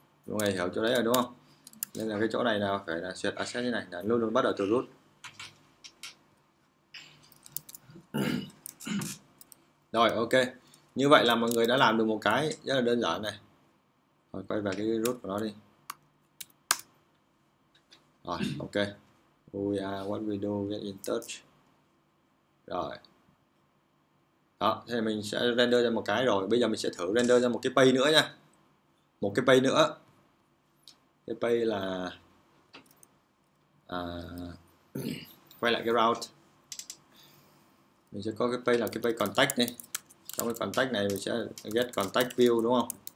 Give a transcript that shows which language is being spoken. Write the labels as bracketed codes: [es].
[vi] Mọi người hiểu chỗ đấy rồi đúng không? Nên là cái chỗ này là phải là xuyệt asset như này là luôn luôn bắt đầu từ root. Rồi, ok. Như vậy là mọi người đã làm được một cái rất là đơn giản này. Rồi, quay về cái root của nó đi. Rồi, ok. [en] We are what we do, get in touch. [vi] Rồi. Đó, thế thì mình sẽ render ra một cái rồi. Bây giờ mình sẽ thử render ra một cái page nữa nha. Một cái page nữa. Cái page là quay lại cái route. Mình sẽ có cái page là cái page contact này. Trong cái contact này mình sẽ get contact view đúng không?